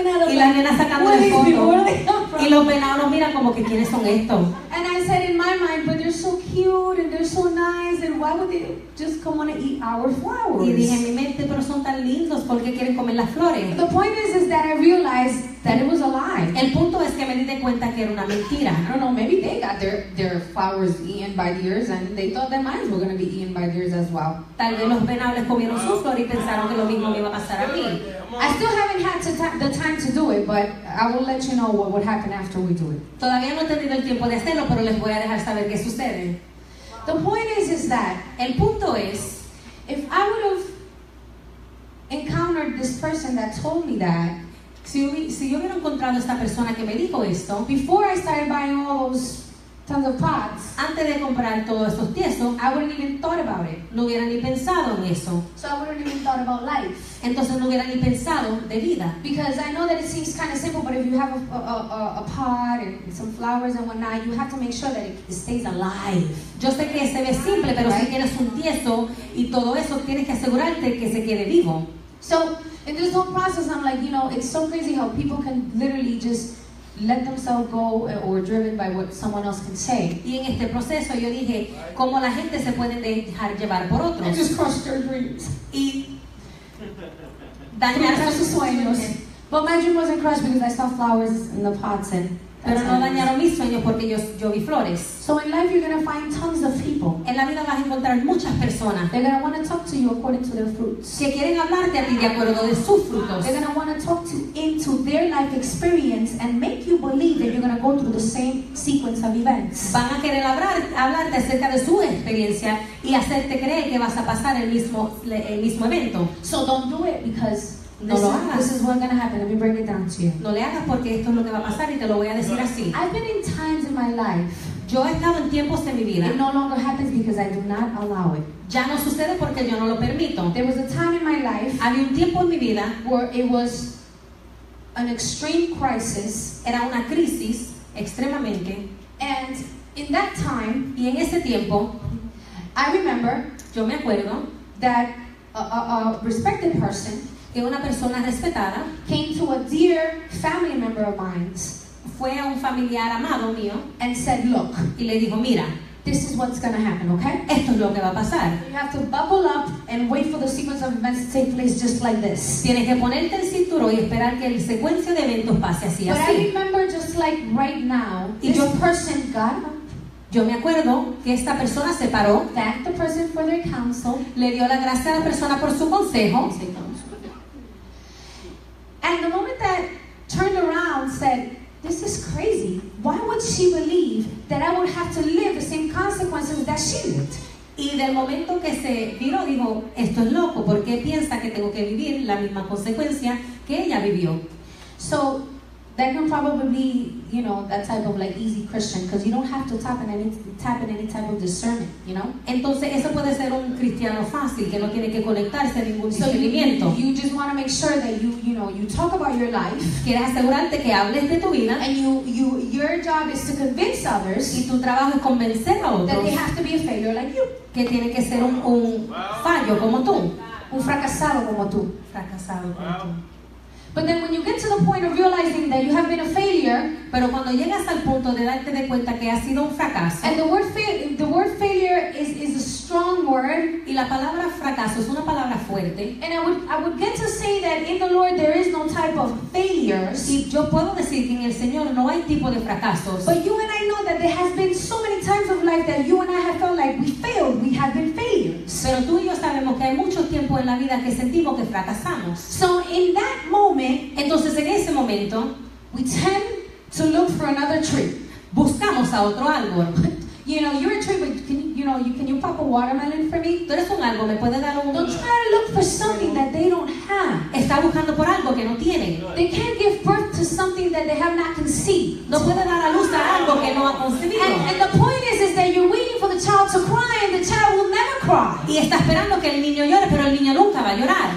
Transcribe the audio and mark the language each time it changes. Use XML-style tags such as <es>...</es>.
<es>Y la nena sacando el fondo. Y los venados miran como que quiénes son estos.</es> <en>And I said in my mind, but they're so cute and they're so nice, and why would they just come on to eat our flowers?</en> <es>Y dije en mi mente, pero son tan lindos, ¿por qué quieren comer las flores?</es> <en>The point is that I realized that it was a lie.</en> <es>El punto es que me di cuenta que era una mentira.</es> <en>I don't know, maybe they got their flowers eaten by deers and they thought that mine were going to be eaten by deers as well.</en> <es>Tal vez los venados les comieron sus flores y pensaron que lo mismo me iba a pasar a mí.</es> <en>I still haven't had the time to do it, but I will let you know what would happen after we do it.</en> <es>Todavía no he tenido el tiempo de hacerlo, pero les voy a dejar saber qué sucede.</es> <en>The point is that,</en> <es>el punto es,</es> <en>if I would have encountered this person that told me that,</en> <es>si yo hubiera encontrado esta persona que me dijo esto,</es> <en>before I started buying all those tons of pots,</en> <es>antes de comprar todos estos tiestos,</es> <en>I wouldn't even thought about it.</en> <es>No hubiera ni pensado en eso.</es> <en>So I wouldn't even thought about life.</en> <es>Entonces no hubiera ni pensado de vida.</es> <en>Because I know that it seems kind of simple, but if you have a pot and some flowers and whatnot, you have to make sure that it stays alive.</en> <es>Yo sé que se ve simple, pero</es> <en>right?</en> <es>Si tienes un tiesto y todo eso, tienes que asegurarte que se quede vivo.</es> <en>So in this whole process, I'm like, you know, it's so crazy how people can literally just let themselves go or driven by what someone else can say.</en> <es>Y en este proceso yo dije, ¿cómo la gente se puede dejar llevar por otros?</es> <en>And just crush their dreams.</en> <es>Y dañar sus sueños.</es> <en>But my dream wasn't crushed because I saw flowers in the pots. And</en> <es>pero no dañaron mis sueños porque yo vi flores.</es> <en>So in life you're gonna find tons of people.</en> <es>En la vida vas a encontrar muchas personas.</es> <en>They're gonna wanna talk to you according to their fruits.</en> <es>Que quieren hablarte a ti de acuerdo de sus frutos.</es> <en>They're gonna wanna talk to into their life experience and make you believe that you're gonna go through the same sequence of events.</en> <es>Van a querer hablarte acerca de su experiencia y hacerte creer que vas a pasar el mismo evento.</es> <en>So don't do it because</en> <es>no lo hagas.</es> <en>This is what's gonna happen. Let me break it down to you.</en> <es>No le hagas porque esto es lo que va a pasar y te lo voy a decir así.</es> <en>I've been in times in my life.</en> <es>Yo he estado en tiempos de mi vida.</es> <en>It no longer happens because I do not allow it.</en> <es>Ya no sucede porque yo no lo permito.</es> <en>There was a time in my life.</en> <es>Había un tiempo en mi vida</es> <en>where it was an extreme crisis.</en> <es>Era una crisis extremamente.</es> <en>And in that time,</en> <es>y en ese tiempo,</es> <en>I remember,</en> <es>yo me acuerdo,</es> <en>that a respected person.</en> <es>Que una persona respetada</es> <en>came to a dear family member of mine,</en> <es>fue a un familiar amado mío,</es> <en>and said, look,</en> <es>y le dijo, mira,</es> <en>this is what's gonna happen, okay?</en> <es>Esto es lo que va a pasar.</es> <en>You have to buckle up and wait for the sequence of events to take place just like this.</en> <es>Tienes que ponerte el cinturón y esperar que el secuencia de eventos pase así.</es> <en>But</en> <es>así.</es> <en>I remember just like right now, this person got up.</en> <es>Yo me acuerdo que esta persona se paró,</es> <en>thanked the person for their counsel,</en> <es>le dio la gracia a la persona por su consejo.</es> <en>And the moment that turned around said, this is crazy. Why would she believe that I would have to live the same consequences that she lived?</en> <es>Y del momento que se viró, dijo, esto es loco. ¿Por qué piensa que tengo que vivir la misma consecuencia que ella vivió?</es> <en>So that can probably be, you know, that type of like easy Christian, because you don't have to tap in any type of discernment, you know.</en> <es>Entonces eso puede ser un cristiano fácil que no tiene que conectarse a ningún discernimiento.</es> <en>So you just want to make sure that you talk about your life.</en> <es>Quieres asegurarte que hables de tu vida.</es> <en>And your job is to convince others.</en> <es>Y tu trabajo es convencer a otros.</es> <en>That they have to be a failure like you.</en> <es>Que tiene que ser un fallo como tú. Un fracasado como tú. Fracasado como tú.</es> <en>But then when you get to the point of realizing that you have been a failure,</en> <es>pero cuando llegas al punto de darte de cuenta que has sido un fracaso.</es> <en>And the word failure is a strong word,</en> <es>y la palabra fracaso es una palabra fuerte.</es> <en>And I would get to say that in the Lord there is no type type of failures.</en> <es>Y yo puedo decir que en el Señor no hay tipo de fracasos.</es> <en>But you and I know that there has been so many times of life that you and I have felt like we failed, we have been failures.</en> <es>Pero tú y yo sabemos que hay mucho tiempo en la vida que sentimos que fracasamos.</es> <en>So in that moment,</en> <es>entonces en ese momento,</es> <en>we tend to look for another tree.</en> <es>Buscamos a otro árbol.</es> <en>You know, you're a tree, but can you pop a watermelon for me?</en> <es>Tú eres un árbol, me puedes dar un.</es> <en>Don't try to look for something that they don't have.</en> <es>Está buscando por algo que no tiene.</es> <en>They can't give birth to something that they have not conceived.</en> <es>No puede dar a luz a algo que no ha concebido.</es> <en>And the point is that you're waiting for the child to cry, and the child will never cry.</en> <es>Y está esperando que el niño llore, pero el niño nunca va a llorar.</es>